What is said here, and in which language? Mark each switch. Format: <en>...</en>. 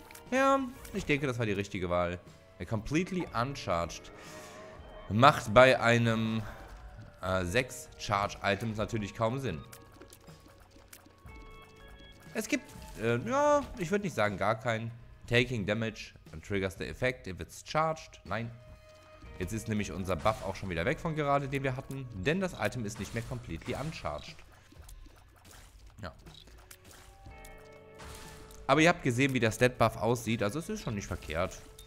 <de>Ja, ich denke, das war die richtige Wahl. A completely uncharged. Macht bei einem 6 Charge-Items natürlich kaum Sinn. Es gibt, ja, ich würde nicht sagen, gar keinen.</de> <en>Taking Damage triggers the effect if it's charged.</en> <de>Nein. Jetzt ist nämlich unser Buff auch schon wieder weg von gerade, den wir hatten. Denn das Item ist nicht mehr completely uncharged. Ja. Aber ihr habt gesehen, wie der Stat-Buff aussieht. Also es ist schon nicht verkehrt.</de>